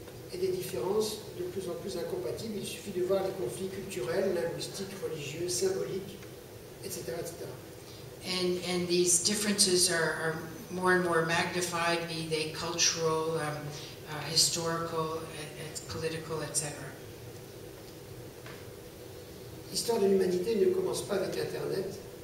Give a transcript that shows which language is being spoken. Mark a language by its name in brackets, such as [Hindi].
[French] Et des différences de plus en plus incompatibles. Il suffit de voir les conflits culturels, linguistiques, religieux, symboliques, etc., etc. [English] And these differences are more and more magnified, be they cultural, historical, political, etc. [French] L'histoire de l'humanité ne commence pas avec Internet.